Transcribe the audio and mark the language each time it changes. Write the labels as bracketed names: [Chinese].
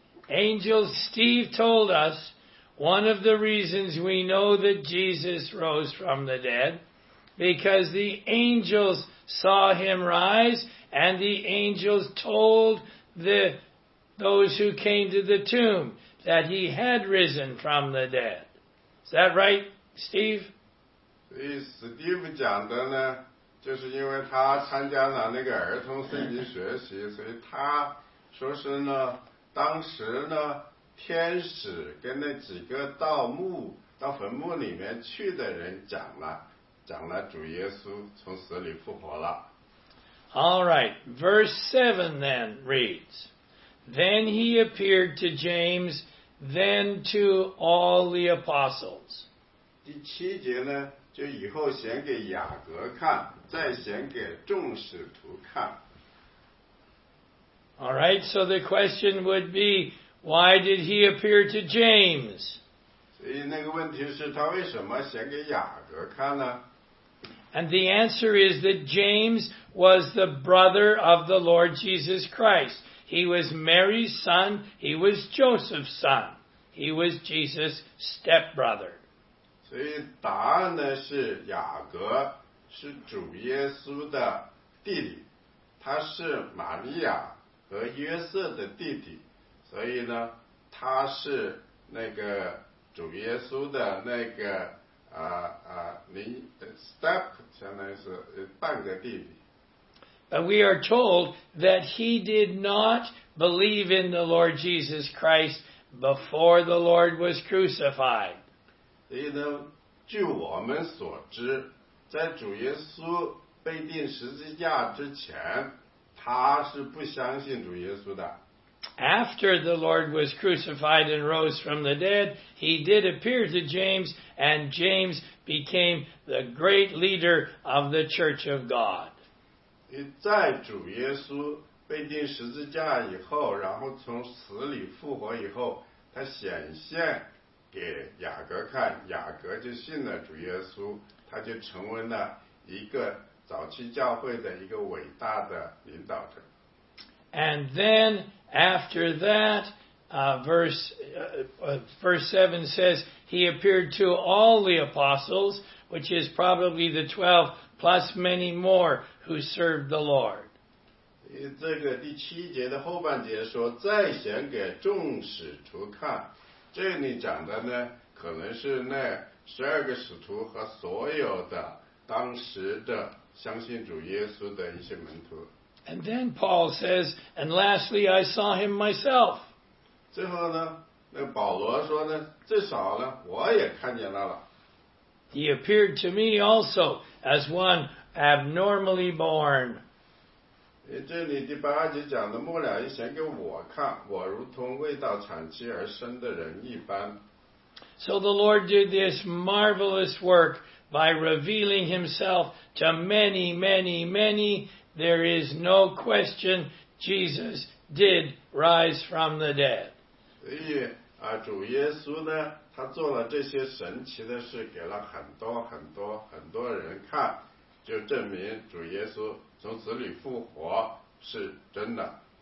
[English] Angel Steve told us one of the reasons we know that Jesus rose from the dead because the angels saw him rise and the angels told those who came to the tomb that he had risen from the dead. Is that right, Steve? [Chinese] Steve 讲的呢，就是因为他参加了那个儿童圣经学习，所以他说是呢。当时呢，天使跟那几个到坟墓里面去的人讲了主耶稣从死里复活了。 [English] All right, verse 7 then reads, Then he appeared to James, then to all the apostles. [Chinese] 第七节呢，就以后显给雅各看，再显给众使徒看。 [English] All right, so the question would be, why did he appear to James? [Chinese] 所以那个问题是他为什么显给雅各看呢？ [English] And the answer is that James was the brother of the Lord Jesus Christ. He was Mary's son. He was Joseph's son. He was Jesus' stepbrother. [Chinese] 所以答案呢是雅各是主耶稣的弟弟，他是玛利亚。和约瑟的弟弟，所以呢，他是那个主耶稣的那个step， 相当于是半个弟弟。 [English] But we are told that he did not believe in the Lord Jesus Christ before the Lord was crucified. [Chinese] 所以呢，据我们所知，在主耶稣被钉十字架之前。他是不相信主耶稣的。 [English] After the Lord was crucified and rose from the dead, he did appear to James, and James became the great leader of the Church of God. [Chinese] 在主耶稣被钉十字架以后，然后从死里复活以后，他显现给雅各看，雅各就信了主耶稣，他就成为了一个早期教会的一个伟大的领导者。 [English] And then after that, verse 7 says, he appeared to all the apostles, which is probably the 12 plus many more who served the Lord. [Chinese] 这个第七节的后半节说，再显给众使徒看，这里讲的呢，可能是那十二个使徒和所有的当时的相信主耶稣的一些门徒。 [English] And then Paul says, and lastly, I saw him myself. [Chinese] 最后呢，那保罗说呢，至少呢，我也看见他了。 [English] He appeared to me also as one abnormally born. [Chinese] 这里第八节讲的，末了也显给我看，我如同未到产期而生的人一般。 [English] So the Lord did this marvelous work by revealing himself to many, many, many. There is no question Jesus did rise from the dead. [Chinese] 所以啊，主耶稣呢，他做了这些神奇的事，给了很多很多很多人看，就证明主耶稣从死里复活是真的。